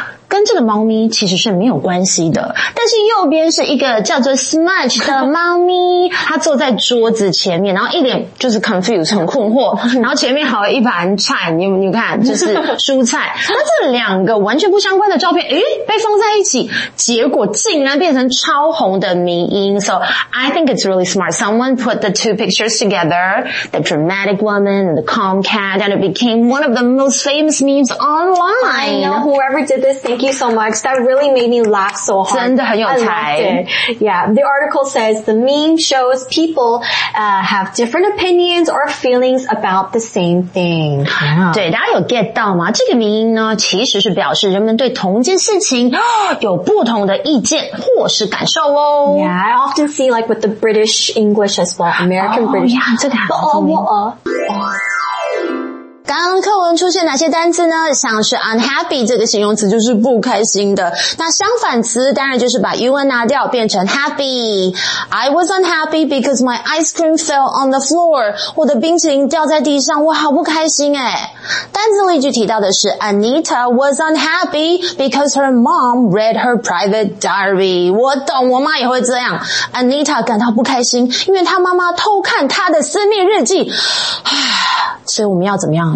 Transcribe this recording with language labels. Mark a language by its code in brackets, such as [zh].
[zh] 跟这个猫咪其实是没有关系的，但是右边是一个叫做 Smudge 的猫咪，它坐在桌子前面，然后一脸就是 confused 很困惑，然后前面还有一盘菜，你看就是蔬菜，那这两个完全不相关的照片，诶，被放在一起，结果竟然变成超红的迷因。 [en] So I think it's really smart. Someone put the two pictures together, the dramatic woman and the calm cat, and it became one of the most famous memes online. I know whoever did this. Thank you so much. That really made me laugh so hard. [zh] 真的很有才。 [en] I loved it. Yeah, the article says the meme shows people have different opinions or feelings about the same thing. [zh] Yeah. 对，大家有 get 到吗？这个 meme 呢，其实是表示人们对同一件事情有不同的意见或是感受哦。 [en] Yeah, I often see like with the British English as well, American British. [zh] Yeah, 这个好聪明。刚刚课文出现哪些单字呢？像是 unhappy 这个形容词就是不开心的。那相反词当然就是把 un 拿掉变成 happy。 [en] I was unhappy because my ice cream fell on the floor. [zh] 我的冰淇淋掉在地上，我好不开心诶。单字例句提到的是 [en] Anita was unhappy because her mom read her private diary. [zh] 我懂，我妈也会这样。Anita 感到不开心，因为她妈妈偷看她的私密日记。所以我们要怎么样？